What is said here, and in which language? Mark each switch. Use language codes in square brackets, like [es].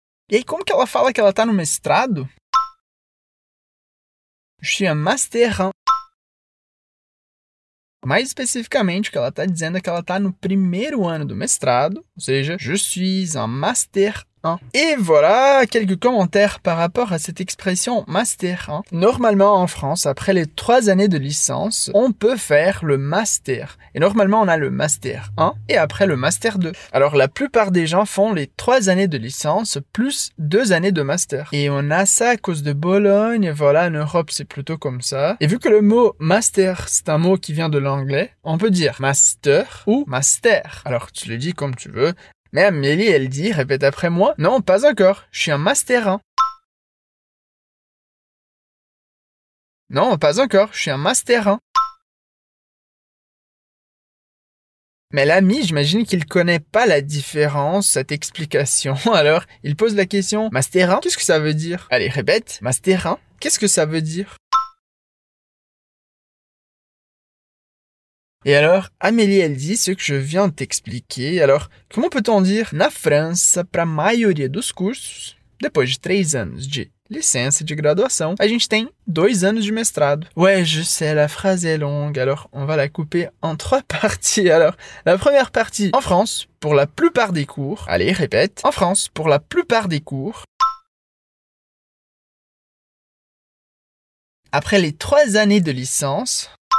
[pt] E aí, como que ela fala que ela tá no mestrado? [fr] Je suis un master 1. [pt] Mais especificamente, o que ela tá dizendo é que ela tá no primeiro ano do mestrado, ou seja, [fr] je suis un master Hein. Et voilà quelques commentaires par rapport à cette expression master. Hein. Normalement en France, après les 3 années de licence, on peut faire le master. Et normalement on a le master 1 et après le master 2. Alors la plupart des gens font les 3 années de licence plus 2 années de master. Et on a ça à cause de Bologne, voilà, en Europe c'est plutôt comme ça. Et vu que le mot master c'est un mot qui vient de l'anglais, on peut dire master ou master. Alors tu le dis comme tu veux. Mais Amélie, elle dit, répète après moi, « Non, pas encore, je suis un master 1. » Non, pas encore, je suis un master 1. Mais l'ami, j'imagine qu'il connaît pas la différence, cette explication. Alors, il pose la question, « Master 1, qu'est-ce que ça veut dire ?» Allez, répète, « Master 1, qu'est-ce que ça veut dire ?» Et alors, Amélie, elle dit ce que je viens de t'expliquer. Alors, comment peut-on dire « [pt] Na França, pra maioria dos cursos, depois de 3 anos de licença de graduação, a gente tem 2 anos de mestrado. [fr] » Ouais, je sais, la phrase est longue. Alors, on va la couper en 3 parties. Alors, la première partie, en France, pour la plupart des cours. Allez, répète. En France, pour la plupart des cours. Après les 3 années de licence...